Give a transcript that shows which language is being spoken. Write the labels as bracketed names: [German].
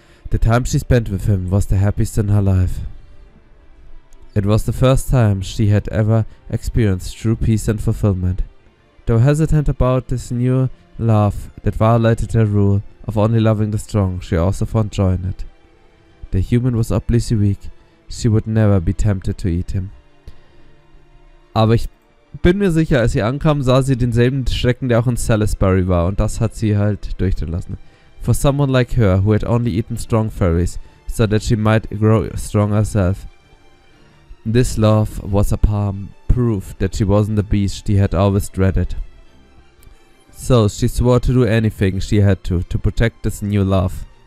[English] The time she spent with him was the happiest in her life. It was the first time she had ever experienced true peace and fulfillment. Though hesitant about this new love that violated her rule of only loving the strong, she also found joy in it. The human was obviously weak. She would never be tempted to eat him. [German] Aber ich bin mir sicher, als sie ankam, sah sie denselben Schrecken, der auch in Salisbury war, und das hat sie halt durchgelassen. [English] For someone like her, who had only eaten strong fairies, so that she might grow stronger herself. This love was a palm proof that she wasn't the beast she had always dreaded. So she swore to do anything she had to protect this new love.